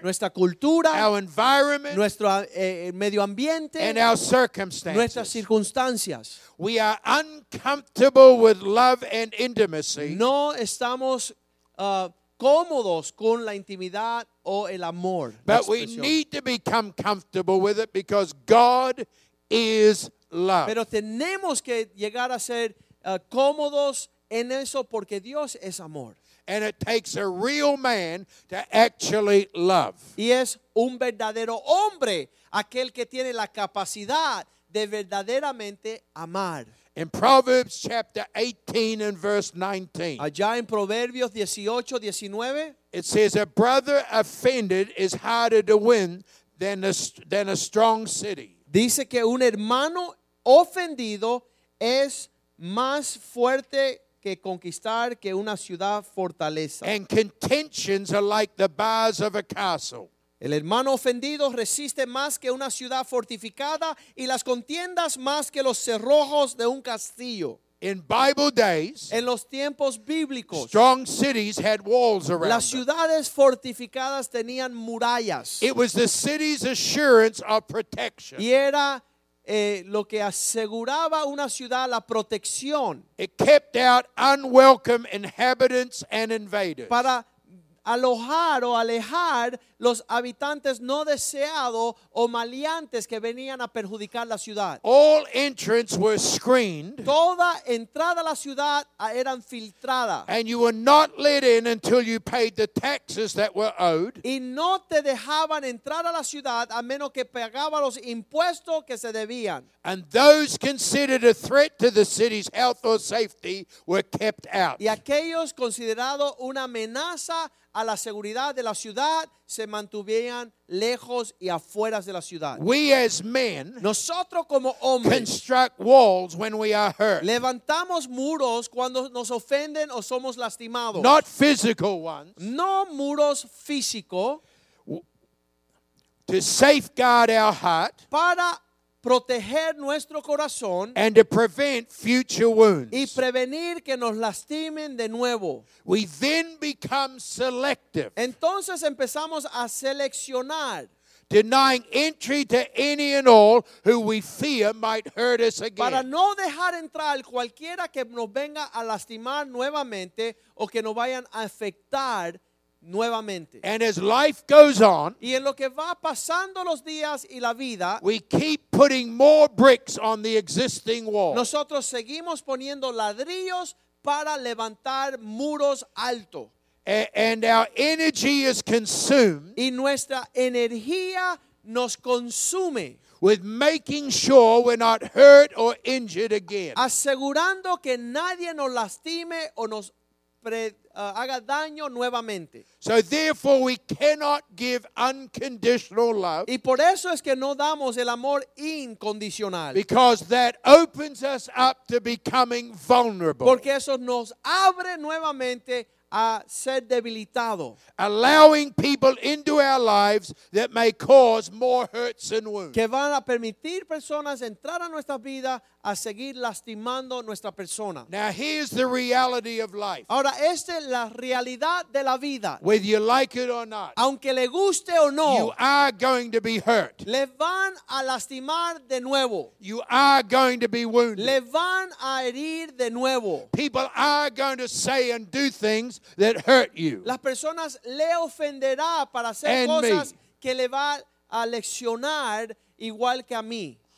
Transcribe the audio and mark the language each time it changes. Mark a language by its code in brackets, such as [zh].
[es] nuestra cultura, [en] our environment, [es] nuestro medio ambiente, [en] and our circumstances. [es] Nuestras circunstancias. [en] We are uncomfortable with love and intimacy. [es] No estamos cómodos con la intimidad o el amor. [en] But we need to become comfortable with it because God is love. [es] Pero tenemos que llegar a ser cómodos en eso porque Dios es amor. [en] And it takes a real man to actually love. [es] Y es un verdadero hombre aquel que tiene la capacidad de verdaderamente amar. [en] In Proverbs chapter 18 and verse 19. [es] Allá en Proverbios 18:19. [en] It says, a brother offended is harder to win than a strong city. [es] Dice que un hermano ofendido es más fuerte que conquistar que una ciudad fortaleza. [en] And contentions are like the bars of a castle. [es] El hermano ofendido resiste más que una ciudad fortificada y las contiendas más que los cerrojos de un castillo. [en] In Bible days, [es] en los tiempos bíblicos, [en] strong cities had walls around [es] las ciudades fortificadas tenían murallas. [en] It was the city's assurance of protection. [es] Y era lo que aseguraba una ciudad, la protección. [en] It kept out unwelcome inhabitants and invaders. [es] Para alojar o alejar los habitantes no deseados o maleantes que venían a perjudicar la ciudad. [en] All entrance were screened. [es] Toda entrada a la ciudad eran filtrada. [en] And you were not let in until you paid the taxes that were owed. [es] Y no te dejaban entrar a la ciudad a menos que pagaba los impuestos que se debían. [en] And those considered a threat to the city's health or safety were kept out. [es] Y aquellos considerados una amenaza a la seguridad de la ciudad se mantuvieran lejos y afuera de la ciudad. [en] We as men, [es] nosotros como hombres, [en] construct walls when we are hurt. [es] Levantamos muros cuando nos ofenden o somos lastimados. [en] Not physical ones. [es] No muros físicos. [en] To safeguard our heart. [es] Para proteger nuestro corazón, [en] and to prevent future wounds. [es] Y prevenir que nos lastimen de nuevo. [en] We then become selective. [es] Entonces empezamos a seleccionar. [en] Denying entry to any and all who we fear might hurt us again. [es] Para no dejar entrar cualquiera que nos venga a lastimar nuevamente o que nos vayan a afectar nuevamente. [en] And as life goes on, [es] y en lo que va pasando los días y la vida, [en] we keep putting more bricks on the existing wall. [es] Nosotros seguimos poniendo ladrillos para levantar muros alto. [en] And our energy is consumed. [es] Y nuestra energía nos consume. [en] With making sure we're not hurt or injured again. [es] Asegurando que nadie nos lastime o nos haga daño nuevamente. [en] So therefore we cannot give unconditional love. [es] Y por eso es que no damos el amor incondicional. [en] Because that opens us up to becoming vulnerable. [es] Porque eso nos abre nuevamente a ser debilitado. [en] Allowing people into our lives that may cause more hurts and wounds. [es] Que van a permitir personas entrar a nuestra vida a seguir lastimando nuestra persona. [en] Now here's the reality of life. [es] Ahora esta es la realidad de la vida. [en] Whether you like it or not. [es] Aunque le guste o no. [en] You are going to be hurt. [es] Le van a lastimar de nuevo. [en] You are going to be wounded. [es] Le van a herir de nuevo. [en] People are going to say and do things that hurt you. [es] Las personas le ofenderá para hacer [en] and [es] cosas [en] me. [es] Que le va a leccionar igual que a mí.